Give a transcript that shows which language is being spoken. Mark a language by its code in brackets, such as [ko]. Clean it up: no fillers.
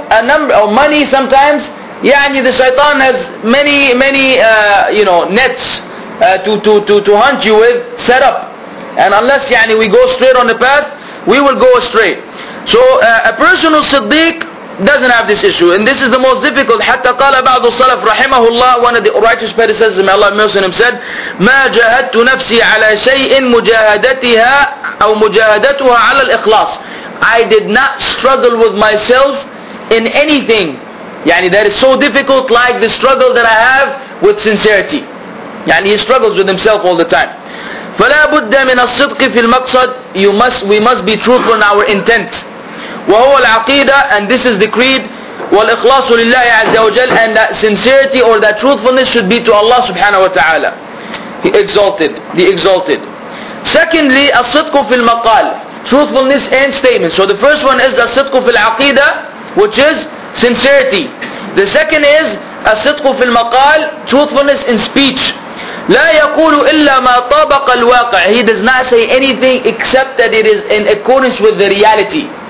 [en] A number of money sometimes. يعني the shaitan has many you know, nets to hunt you with, set up. And unless يعني we go straight on the path, we will go astray. So a personal siddiq doesn't have this issue. And this is the most difficult. [ar] حتى قال بعض الصلف رحمه الله, [en] one of the righteous predecessors, may Allah mercy on him, [ar] said, ما جاهدت نفسي على شيء مجاهدتها أو مجاهدتها على الإخلاص. [en] I did not struggle with myself in anything. Yani, that is so difficult, like the struggle that I have with sincerity. Yani, he struggles with himself all the time. [ar] فَلَا بُدَّ مِنَ الصِّدْقِ فِي الْمَقْصَدِ. [en] We must be truthful in our intent. [ar] وَهُوَ الْعَقِيدَةِ. [en] And this is the creed. [ar] وَالْإِخْلَاصُ لِلَّهِ عَزَّ وَجَلْ. [en] And that sincerity or that truthfulness should be to Allah subhanahu wa ta'ala. The exalted. Secondly, [ar] الصِّدْقُ فِي الْمَقَالِ. [en] Truthfulness and statement. So the first one is [ar] الصِّدْقُ فِي الْعَقِيدَةِ, [en] which is sincerity. The second is [ar] الصِّدْقُ فِي الْمَقَالِ, [en] truthfulness in speech. [ar] لَا يَقُولُ إِلَّا مَا طَابَقَ الْوَاقِعِ. [en] He does not say anything except that it is in accordance with the reality.